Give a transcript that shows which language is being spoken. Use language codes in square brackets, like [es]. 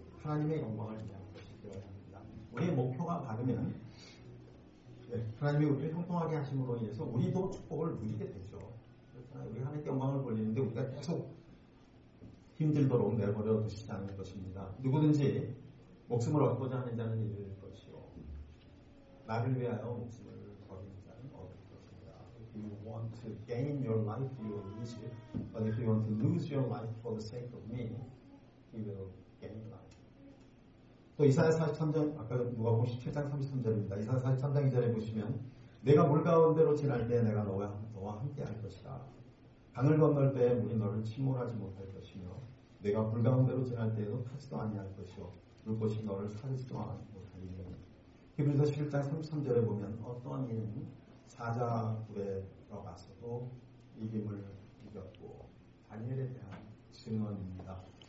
[ko] 하나님의 영광을 위한 것이 되어야 합니다. 우리의 목표가 바르면 네, 하나님이 우리를 형통하게 하심으로 인해서 우리도 축복을 누리게 되죠. 그렇잖아 우리 하나님께 영광을 돌리는데 우리가 계속 힘들도록 내버려 두시지 않을 것입니다. 누구든지 목숨을 얻고자 하는 자는 잃을 것이요. 나를 위하여 목숨을 버리는 자는 얻을 것입니다. [en] If you want to gain your life, you will lose it. But if you want to lose your life for the sake of me, you will gain life. [ko] 또 이사야 43장, 아까 누가 보면 17장 33절입니다. 이사야 43장 2절에 보시면 내가 물 가운데로 지날 때 내가 너와 함께 할 것이다. 강을 건널 때 물이 너를 침몰하지 못할 것이며 내가 불 가운데로 지날 때에도 타지도 아니할 것이오. 물꽃이 너를 사르지도 못하리니. 히브리서 11장 33절에 보면 어떤 이는 사자굴에 들어가서도 이김을 이겼고 다니엘에 대한 증언입니다.